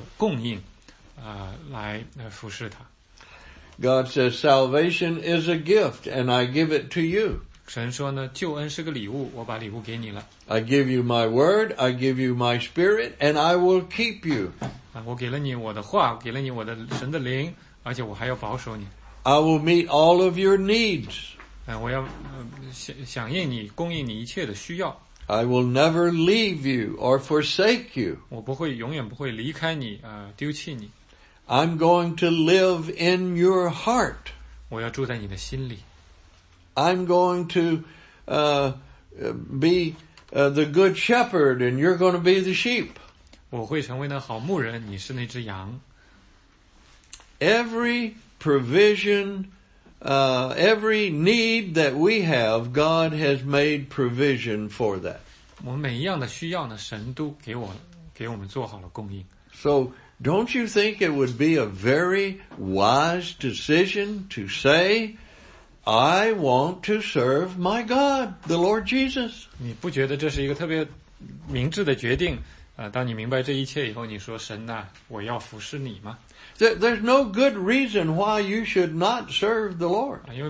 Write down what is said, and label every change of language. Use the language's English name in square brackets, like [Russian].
[Chinese] 神给了你所有的供应，来服侍他。 [English] God says salvation is a gift and I give it to you. [Chinese] 神说呢，救恩是个礼物，我把礼物给你了。 [English] I give you my word, I give you my spirit, and I will keep you. [Chinese] 我给了你我的话，给了你我的神的灵，而且我还要保守你。 [English] I will meet all of your needs. [Chinese] 我要响应你，供应你一切的需要。 [English] I will never leave you or forsake you. [Chinese] 我不会永远不会离开你，丢弃你。 [English] I'm going to live in your heart. [Chinese] 我要住在你的心里。 [English] I'm going to be the good shepherd and you're going to be the sheep. [Chinese] 我会成为那好牧人，你是那只羊。 [English] Every provision, every need that we have, God has made provision for that. [Chinese] 我们每一样的需要呢，神都给我们做好了供应。 [English] So, don't you think it would be a very wise decision to say, I want to serve my God, the Lord Jesus? [Chinese] 你不觉得这是一个特别明智的决定？当你明白这一切以后，你说神呐，我要服侍你吗？ [English] There's no good reason why you should not serve the Lord.